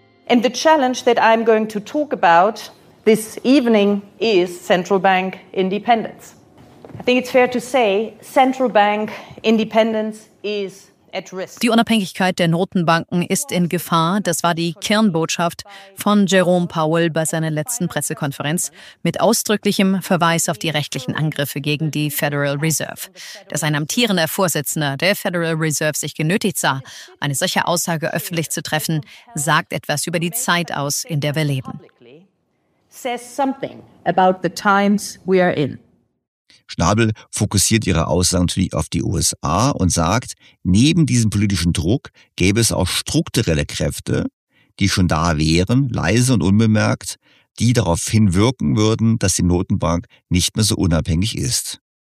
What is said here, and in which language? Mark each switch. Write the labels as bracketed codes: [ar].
[en] And the challenge that I'm going to talk about this evening is central bank independence. I think it's fair to say central bank independence is at risk. [de] Die Unabhängigkeit der Notenbanken ist in Gefahr. Das war die Kernbotschaft von Jerome Powell bei seiner letzten Pressekonferenz mit ausdrücklichem Verweis auf die rechtlichen Angriffe gegen die Federal Reserve. Dass ein amtierender Vorsitzender der Federal Reserve sich genötigt sah, eine solche Aussage öffentlich zu treffen, sagt etwas über die Zeit aus, in der wir leben. [en] Says something about the times we are in. [de] Schnabel fokussiert ihre Aussagen natürlich auf die USA und sagt, neben diesem politischen Druck gäbe es auch strukturelle Kräfte, die schon da wären, leise und unbemerkt, die darauf hinwirken würden, dass die Notenbank nicht mehr so unabhängig ist.